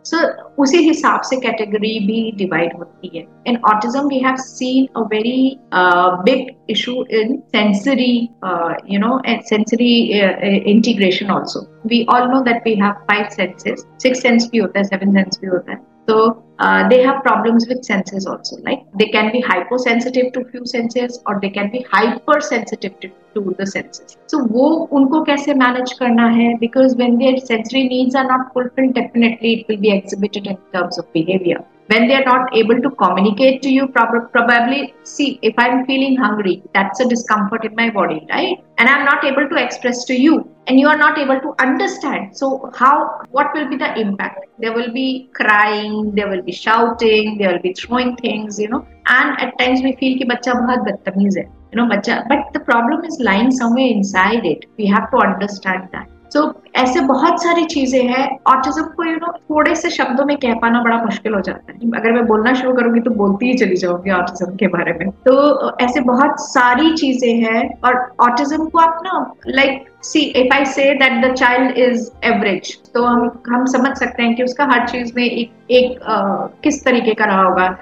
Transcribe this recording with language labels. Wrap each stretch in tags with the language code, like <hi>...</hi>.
<hi>सो उसी हिसाब से कैटेगरी भी डिवाइड होती है.</hi> <en>In autism we have seen a very big issue in sensory, you know, sensory integration also. We all know that we have 5 senses,</en> <hi>6 sense भी होता है,</hi> <en>7 sense भी होता है. So they have problems with senses also, like they can be hyposensitive to few senses or they can be hypersensitive to the senses. So</en> <hi>wo unko kaise manage karna hai,</hi> <en>because when their sensory needs are not fulfilled, definitely it will be exhibited in terms of behavior. When they are not able to communicate to you, probably, see, if I'm feeling hungry, that's a discomfort in my body, right? And I'm not able to express to you, and you are not able to understand. So what will be the impact? There will be crying, there will be shouting, there will be throwing things, you know. And at times we feel</en> <hi>ki bachcha bahut badtameez hai,</hi> <en>you know, bachcha. But the problem is lying somewhere inside it. We have to understand that. So</en> <hi>ऐसे बहुत सारी चीजें हैं autism को थोड़े से शब्दों में कह पाना बड़ा मुश्किल हो जाता है। अगर मैं बोलना शुरू करूंगी तो बोलती ही चली जाऊंगी ऑटिज्म के बारे में। तो ऐसे बहुत सारी चीजें हैं और ऑटिज्म को आप ना</hi> <en>like see if I say that the child is average</en> <hi>तो हम समझ सकते हैं कि उसका हर चीज में एक किस तरीके का रहा होगा।</hi>